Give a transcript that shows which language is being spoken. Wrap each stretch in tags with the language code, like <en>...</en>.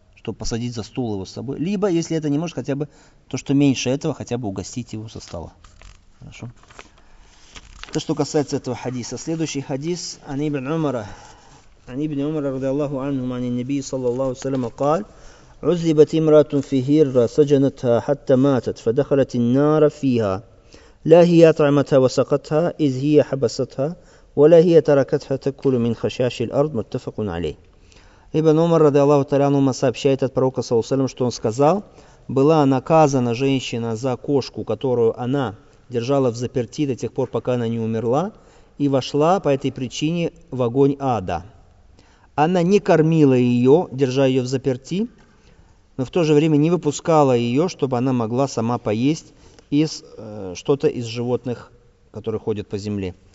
<ru>Чтобы посадить за стол его с собой. Либо, если это не может, хотя бы то, что меньше этого, хотя бы угостить его со стола. Хорошо. Это что касается этого хадиса. Следующий хадис. Ани ибн Умара.</ru> <ar>Ани ибн Умара, ради Аллаху анхума, ани наби, саллаллаху салям, кал. عذبت امرأة في هيرة سجنتها حتى ماتت فدخلت النار فيها لا هي أطعمتها وسقتها إذ هي حبستها ولا هي تركتها تأكل من خشاش الأرض متفق عليه.</ar> <ru>Ибн Умар</ru> <ar>رضي الله تعالى عنهما</ar> <ru>сообщает от пророка</ru> <ar>صلى الله عليه وسلم,</ar> <ru>что он сказал: была наказана женщина за кошку, которую она держала в заперти до тех пор, пока она не умерла, и вошла по этой причине в огонь ада. Она не кормила ее, держа ее в заперти, но в то же время не выпускала ее, чтобы она могла сама поесть из что-то из животных, которые ходят по земле.</ru>